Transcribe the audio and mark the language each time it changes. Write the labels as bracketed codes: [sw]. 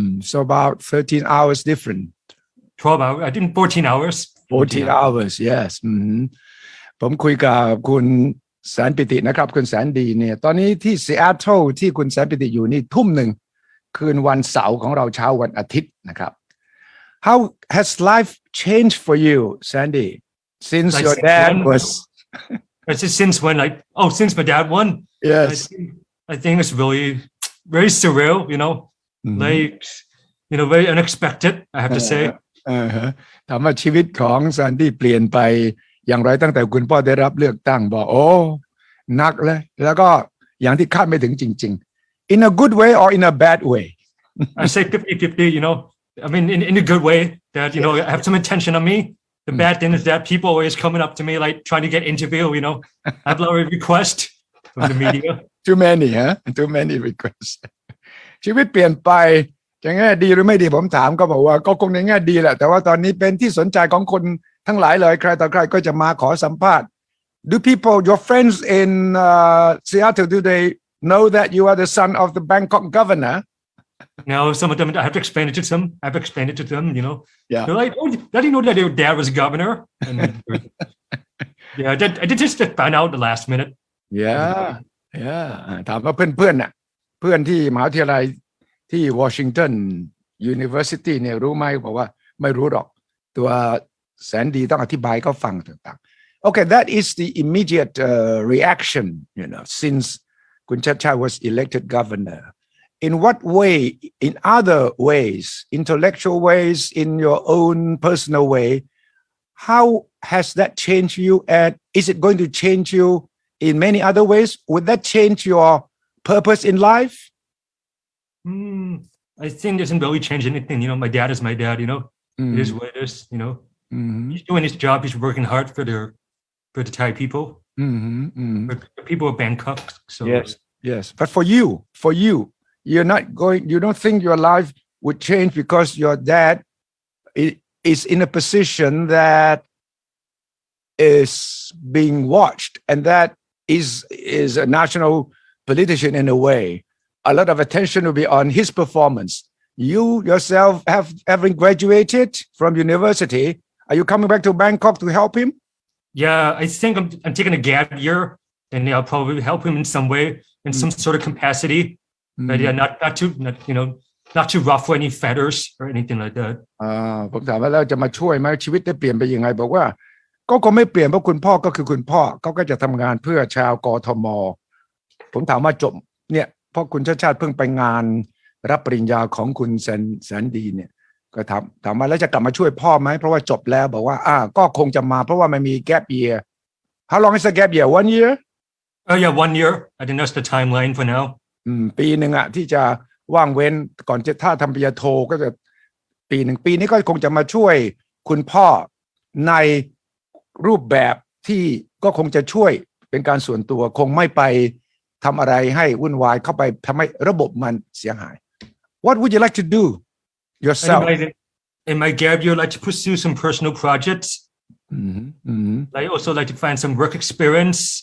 [en] So about 13 hours different. 12 hours. I think 14 hours. 14 hours. Yes. [th] ผมคุยกับคุณแสนปิตินะครับคุณแสนดีเนี่ยตอนนี้ที่ซีแอตเทิลที่คุณแสนปิติอยู่นี่ทุ่มหนึ่งคืนวันเสาร์ของเราเช้าวันอาทิตย์นะครับ [en] How has life changed for you, Sandy, since like your since dad when? Was? Since my dad won. Yes. I think it's really. Very surreal, you know, like, you know, very unexpected, I have to say. [th] ถามว่าชีวิตของซันดี้เปลี่ยนไปอย่างไรตั้งแต่คุณพ่อได้รับเลือกตั้งบอกโอ้นักเลยแล้วก็อย่างที่คาดไม่ถึงจริงๆ [en] in a good way or in a bad way? I say 50-50, you know, I mean, in a good way that, you know, I have some attention on me. The bad thing is that people always coming up to me, like trying to get interview, you know, I have a lot of requests from the media. Too many, huh? Too many requests. [th] ชีวิตเปลี่ยนไปจะแง่ดีหรือไม่ดีผมถามก็บอกว่าก็คงในแง่ดีแหละแต่ว่าตอนนี้เป็นที่สนใจของคนทั้งหลายเลยใครต่อใครก็จะมาขอสัมภาษณ์ [en] Do people, your friends in Seattle, do they know that you are the son of the Bangkok governor? No, some of them, I have to explain it to them, you know. Yeah. They're like, oh, did you know that your dad was governor? And, yeah, I just found out the last minute. Yeah. [th] ถามว่าเพื่อนๆน่ะเพื่อนที่มหาวิทยาลัยที่วอชิงตันยูนิเวอร์ซิตี้เนี่ยรู้ไหมบอกว่าไม่รู้หรอกตัว แสนดีต้องอธิบายเขาฟังต่างๆโอเค [en] that is the immediate reaction you know since คุณชัชชาติ was elected governor in what way in other ways intellectual ways in your own personal way how has that changed you and is it going to change youIn many other ways, would that change your purpose in life? I think it doesn't really change anything. You know, my dad is my dad. You know, it is what it is. You know, he's doing his job. He's working hard for the Thai people, for the people of Bangkok. So yes. But for you, you're not going. You don't think your life would change because your dad is in a position that is being watched and that. Is a national politician in a way. A lot of attention will be on his performance. You yourself having graduated from university, are you coming back to Bangkok to help him? Yeah, I think I'm taking a gap year, and I'll probably help him in some way, in some sort of capacity. But yeah, not to ruffle any feathers or anything like that. [th] ผมถามว่าแล้วจะมาช่วยไหมชีวิตได้เปลี่ยนไปยังไงบอกว่าก็คงไม่เปลี่ยนเพราะคุณพ่อก็คือคุณพ่อเขาก็จะทำงานเพื่อชาวกทมผมถามว่าจบเนี่ยพ่อคุณชาติชาติเพิ่งไปงานรับปริญญาของคุณแสนดีเนี่ยก็ถามว่าแล้วจะกลับมาช่วยพ่อไหมเพราะว่าจบแล้วบอกว่าก็คงจะมาเพราะว่ามันมีแกปเยียร์ [en] How long is the gap year one year yeah one year I think that's the timeline for now [th] ปีนึงอะที่จะว่างเว้นก่อนจะถ้าทำปริญญาโทก็จะปีนึงปีนี้ก็คงจะมาช่วยคุณพ่อในรูปแบบที่ก็คงจะช่วยเป็นการส่วนตัวคงไม่ไปทำอะไรให้วุ่นวายเข้าไปทำให้ระบบมันเสียหาย [en] What would you like to do yourself? In my gap year, I'd like to pursue some personal projects. I also like to find some work experience.